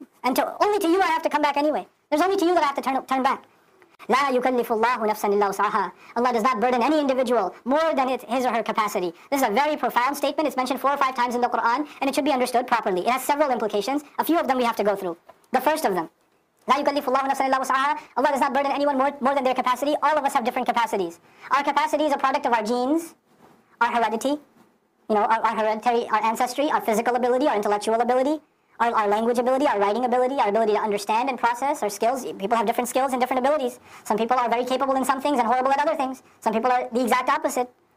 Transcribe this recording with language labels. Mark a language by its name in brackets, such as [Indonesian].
[English] And only to you I have to come back anyway. There's only to you that I have to turn back. [Arabic] لا يكلف الله نفسا إلا وسعها. [English] Allah does not burden any individual more than his or her capacity. This is a very profound statement. It's mentioned 4 or 5 times in the Quran, and it should be understood properly. It has several implications. A few of them we have to go through. The first of them, [Arabic] لا يكلف الله نفسا إلا وسعها. [English] Allah does not burden anyone more than their capacity. All of us have different capacities. Our capacity is a product of our genes, our heredity, you know, our hereditary, our ancestry, our physical ability, our intellectual ability. Our language ability, our writing ability, our ability to understand and process, our skills. People have different skills and different abilities. Some people are very capable in some things and horrible at other things. Some people are the exact opposite.